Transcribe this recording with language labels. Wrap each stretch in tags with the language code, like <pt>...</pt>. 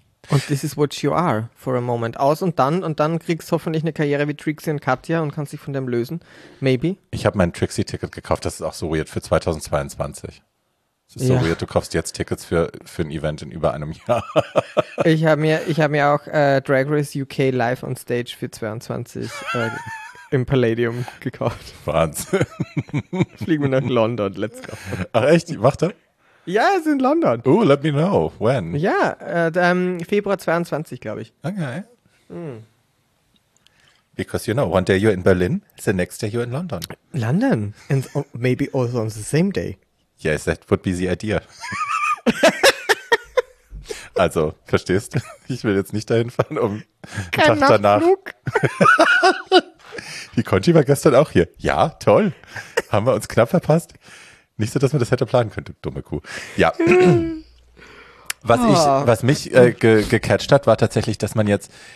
<en>Und this is what you are for a moment.</en> <de>Aus und dann kriegst du hoffentlich eine Karriere wie Trixie und Katja und kannst dich von dem lösen.</de> <en>Maybe.</en> <de>Ich habe mein Trixie-Ticket gekauft, das ist auch so weird für 2022. Das ist so weird, du kaufst jetzt Tickets für ein Event in über einem Jahr. Ich hab mir auch Drag Race UK live on stage für 22 im Palladium gekauft. Wahnsinn. Fliegen wir nach London, let's go. Ach echt, warte. Ja, es ist in London.</de> <en>Oh, let me know. When?</en> <de>Ja, Februar 22, glaube ich. Okay.</de> <en>Because you know, one day you're in Berlin, the next day you're in London. London? And maybe also on the same day. Yes, that would be the idea.</en> <de>Also, verstehst? Ich will jetzt nicht dahin fahren, um einen Tag danach. Die Conchi war gestern auch hier. Ja, toll. Haben wir uns knapp verpasst? Nicht so, dass man das hätte planen könnte, dumme Kuh. Ja. Was mich gecatcht hat, war tatsächlich, dass man jetzt</de>